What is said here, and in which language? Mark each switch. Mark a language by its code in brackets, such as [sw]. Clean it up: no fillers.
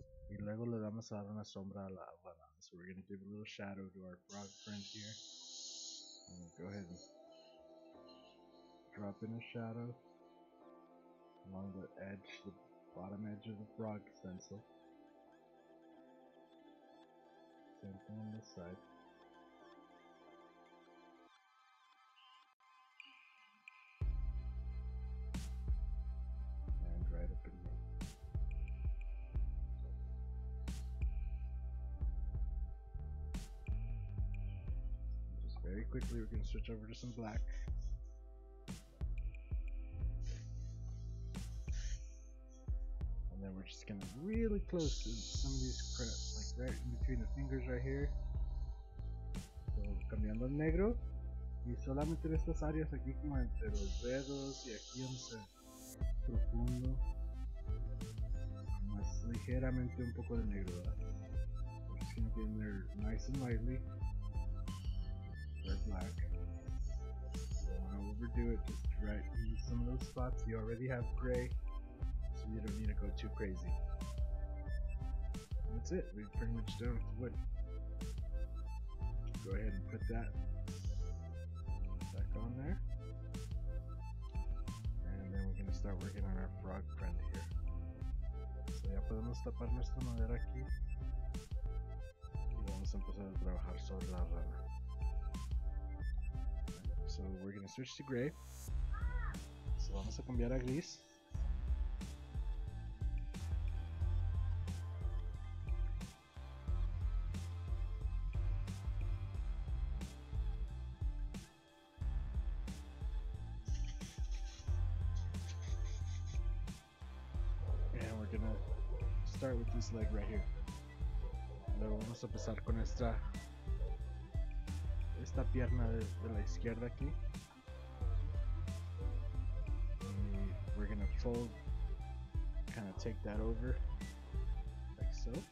[es] Y luego le vamos a dar una sombra a la agua. [en] So, we're going to give a little shadow to our frog friend here. Go ahead and drop in a shadow along the edge, the bottom edge of the frog stencil. Same thing on this side. And right up in here. Very quickly, we're going to switch over to some black. And then we're just going to really close to some of these crepes, like right in between the fingers right here. [es] So, cambiando al negro. Y solamente en estas áreas aquí, como entre los dedos y aquí donde se profundo. Más ligeramente un poco de negro. [en] We're just going to get in there nice and lightly. Black. You don't want to overdo it, just right in some of those spots. You already have gray, so so you don't need to go too crazy. That's it, we're pretty much done with the wood. Go ahead and put that back on there. And then we're going to start working on our frog friend here. [es] So ya podemos tapar nuestra madera aquí. Y vamos a empezar a trabajar sobre la rana. [en] So we're going to switch to gray. [es] So vamos a cambiar a gris. [en] Start with this leg right here. [es] Luego vamos a empezar con esta pierna de la izquierda aquí. [en] And we're gonna fold, kind of take that over, like so.